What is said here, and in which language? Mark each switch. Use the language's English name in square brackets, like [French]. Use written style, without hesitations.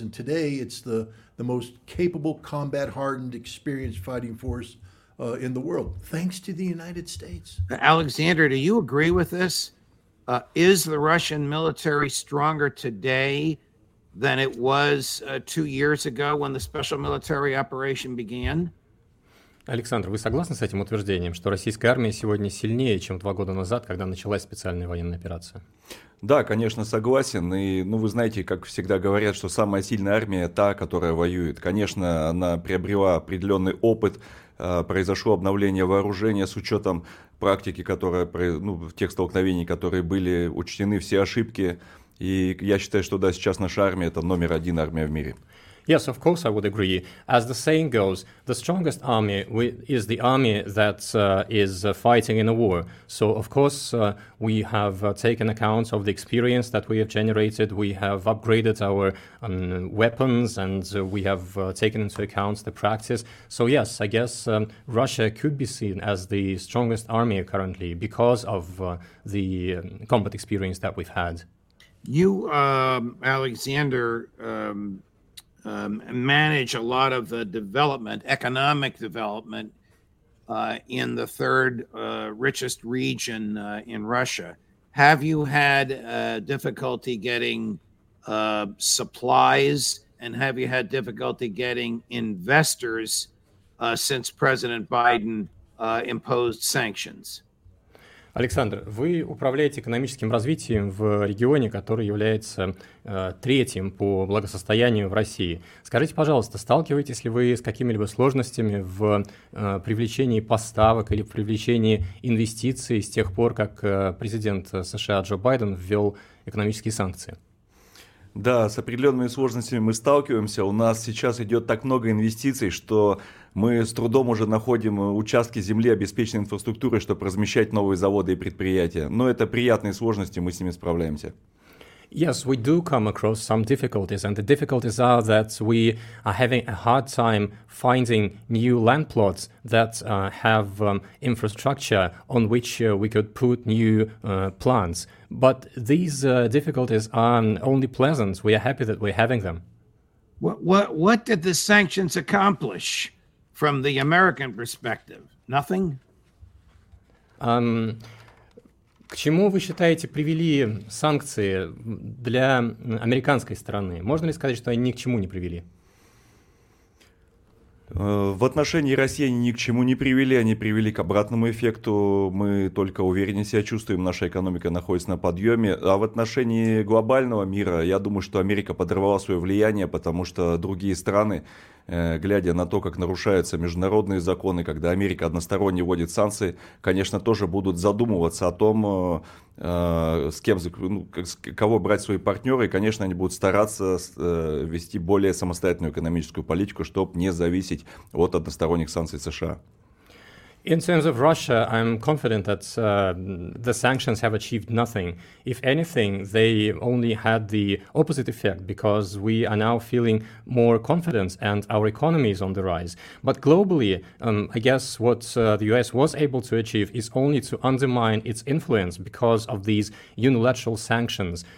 [English] And today it's the most capable, combat-hardened, experienced fighting force in the world, thanks to the United States. Alexander, do you agree with this? Is the Russian military stronger today than it was 2 years ago when the special military operation began? [Russian] Александр, вы согласны с этим утверждением, что российская армия сегодня сильнее, чем 2 года назад, когда началась специальная военная операция? Да, конечно, согласен. И, вы знаете, как всегда говорят, что самая сильная армия – та, которая воюет. Конечно, она приобрела определенный опыт, произошло обновление вооружения с учетом практики, тех столкновений, которые были, учтены все ошибки. И я считаю, что да, сейчас наша армия – это номер один армия в мире. [English] Yes, of course I would agree. As the saying goes, the strongest army is the army that is fighting in a war. So, of course, we have taken account of the experience that we have generated. We have upgraded our weapons and we have taken into account the practice. So, yes, I guess Russia could be seen as the strongest army currently because of the combat experience that we've had. You, Alexander, manage a lot of the development, economic development, in the third richest region in Russia. Have you had difficulty getting supplies, and have you had difficulty getting investors since President Biden imposed sanctions? [Russian] Александр, вы управляете экономическим развитием в регионе, который является третьим по благосостоянию в России. Скажите, пожалуйста, сталкиваетесь ли вы с какими-либо сложностями в привлечении поставок или в привлечении инвестиций с тех пор, как президент США Джо Байден ввел экономические санкции? Да, с определенными сложностями мы сталкиваемся. У нас сейчас идет так много инвестиций, что мы с трудом уже находим участки земли, обеспеченные инфраструктурой, чтобы размещать новые заводы и предприятия. Но это приятные сложности, мы с ними справляемся. [English] Yes, we do come across some difficulties, and the difficulties are that we are having a hard time finding new land plots that have infrastructure on which we could put new plants. But these difficulties are only pleasant. We are happy that we're having them. What did the sanctions accomplish from the American perspective? Nothing? [Russian] К чему, вы считаете, привели санкции для американской стороны? Можно ли сказать, что они ни к чему не привели? В отношении России они ни к чему не привели, они привели к обратному эффекту. Мы только увереннее себя чувствуем, наша экономика находится на подъеме. А в отношении глобального мира, я думаю, что Америка подорвала свое влияние, потому что другие страны, глядя на то, как нарушаются международные законы, когда Америка односторонне вводит санкции, конечно, тоже будут задумываться о том, с кем, ну, кого брать свои партнеры, и, конечно, они будут стараться вести более самостоятельную экономическую политику, чтобы не зависеть от односторонних санкций США. [English] In terms of Russia, I'm confident that the sanctions have achieved nothing. If anything, they only had the opposite effect because we are now feeling more confidence and our economy is on the rise. But globally, I guess what the US was able to achieve is only to undermine its influence because of these unilateral sanctions.